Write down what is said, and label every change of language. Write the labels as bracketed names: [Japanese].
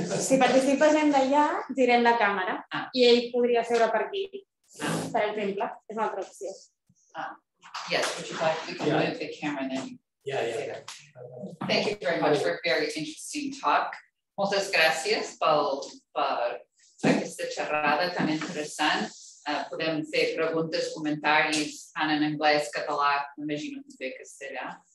[Catalan] Si participa gent d'allà, direm la càmera i ell podria seure per aquí, per exemple. És una altra opció. [English] Yes, would you like to move the camera then? Yeah. Thank you very much for a very interesting talk. [Catalan] Moltes gràcies per aquesta xerrada tan interessant. Podem fer preguntes, comentaris, tant en anglès, català, m'imagino que bé castellà.